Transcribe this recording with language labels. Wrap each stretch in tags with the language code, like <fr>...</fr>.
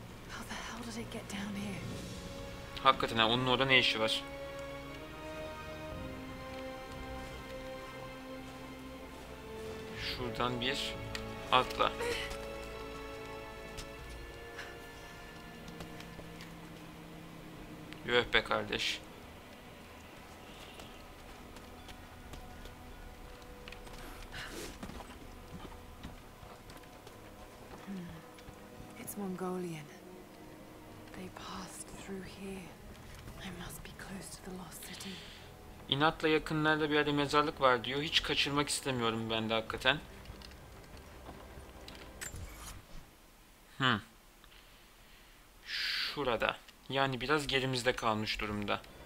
<en>How the hell did it get down here?</en> <tr>Hakikaten ha, onun orada ne işi var? Şuradan bir atla. Yuh be kardeş.</tr> <en>Mongolian. They passed through here. I must be close to the lost city.</en> <tr>İnatla yakınlarda bir yerde mezarlık var diyor. Hiç kaçırmak istemiyorum ben de hakikaten. Şurada. Yani biraz gerimizde kalmış durumda.</tr>